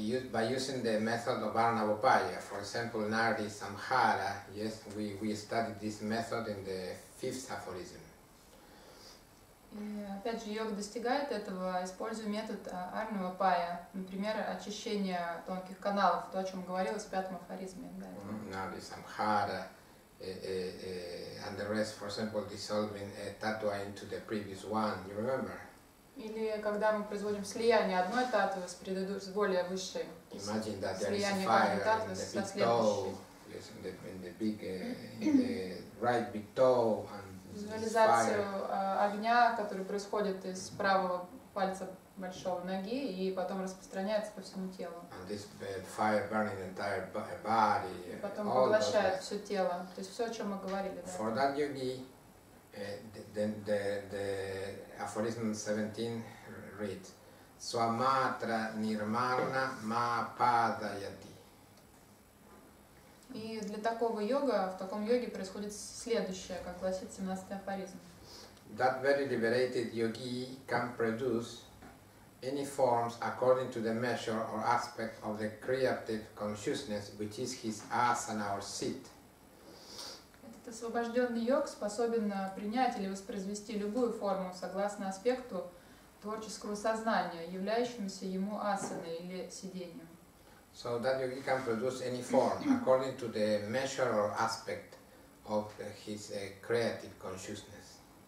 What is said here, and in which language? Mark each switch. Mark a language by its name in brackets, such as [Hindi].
[English] By using the method of Arnavopaya, for example, Nardi Samhara, yes, we studied this method in the fifth aphorism. [Russian] И опять же, йог достигает этого, используя метод Арнавопая, например, очищение тонких каналов, то, о чем говорилось в пятом афоризме. [English] Nardi Samhara, and the rest, for example, dissolving a tattva into the previous one, you remember? [Russian] Или когда мы производим слияние одной татвы с более высшей, [English] imagine that there is a fire in the big toe, yes, in the right big toe, and [Russian] визуализацию огня, который происходит из правого пальца большого ноги и потом распространяется по всему телу. [English] And this fire burning entire body, [Russian] потом поглощает все тело, то есть все, о чем мы говорили. [English] For that yogi, the aphorism 17 reads, Swamatra Nirmana Ma Padayati. [Russian] И для такого йога, в таком йоге происходит следующее, как гласит 17 афоризм. [English] That very liberated yogi can produce any forms according to the measure or aspect of the creative consciousness, which is his asana or seat. [Russian] Освобожденный йог способен принять или воспроизвести любую форму согласно аспекту творческого сознания, являющемуся ему асаной или сидением. [English] So that yogi can produce any form according to the measure or aspect of his creative consciousness.